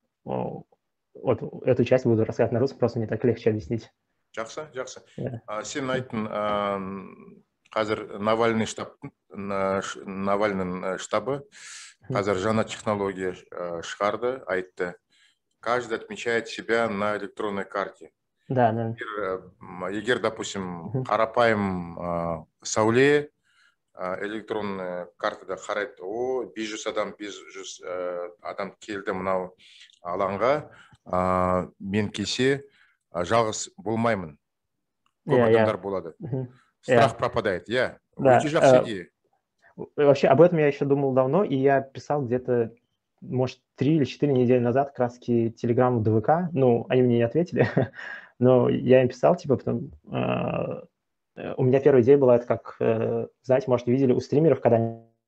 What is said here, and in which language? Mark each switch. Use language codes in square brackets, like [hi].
[ru] Вот эту часть буду рассказывать на русском, просто мне так легче объяснить. [kk] Жақсы, жақсы. Сен айтын, қазір Навальный штаб, Навальның штабы, қазір жаңа технология шығарды, айтты. [ru] Каждый отмечает себя на электронной карте. Да, да. [kk] Егер, [ru] допустим, [kk] қарапайым Сауле, [ru] электронная карта [kk] да қарайды, о, 500 адам, 500 адам келді мынау алаңға, мен келсе жалғыз болмаймын. Көп адамдар болады. [ru] Страх пропадает. Я. Да. Очень [kk] жақсы [ru] идея. Вообще, об этом я еще думал давно, и я писал где-то, может, 3 или 4 недели назад краски Телеграму ДВК. Ну, они мне не ответили. Но я им писал, типа, потом... у меня первая идея была, это как, знаете, может, видели у стримеров, когда...